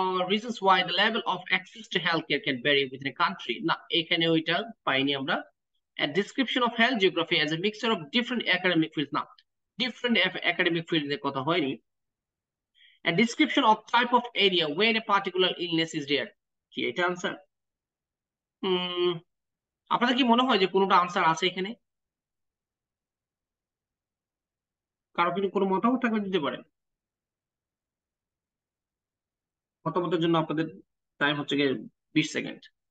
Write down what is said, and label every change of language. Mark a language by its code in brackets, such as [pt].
[en] Reasons why the level of access to healthcare can vary within a country. [bn] Na, এখানে ওইটা পাই নি আমরা। [en] A description of health geography as a mixture of different academic fields. [bn] Na, different academic fields নিয়ে কথা হয় নি। [en] A description of type of area where a particular illness is rare. [bn] কি এটা আনসার? আপনাদের কি মনে হয় যে কোনোটা আনসার আছে এখানে? কারো কিন্তু কোনো মতামত থাকলে দিতে পারেন, মতামতের জন্য আপনাদের টাইম হচ্ছে গিয়ে 20 সেকেন্ড।